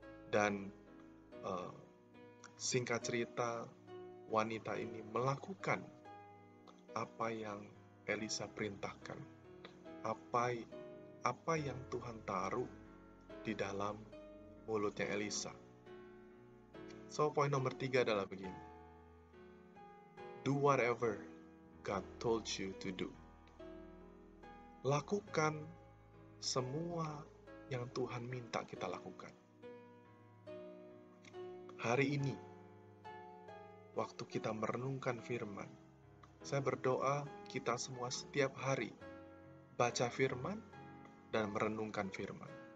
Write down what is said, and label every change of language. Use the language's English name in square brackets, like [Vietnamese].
[Indonesian] Dan singkat cerita, wanita ini melakukan apa yang Elisa perintahkan, apa yang Tuhan taruh di dalam mulutnya Elisa. So, poin nomor tiga adalah begini. [English] Do whatever God told you to do. [Indonesian] Lakukan semua yang Tuhan minta kita lakukan. Hari ini, waktu kita merenungkan firman, saya berdoa kita semua setiap hari baca firman dan merenungkan firman.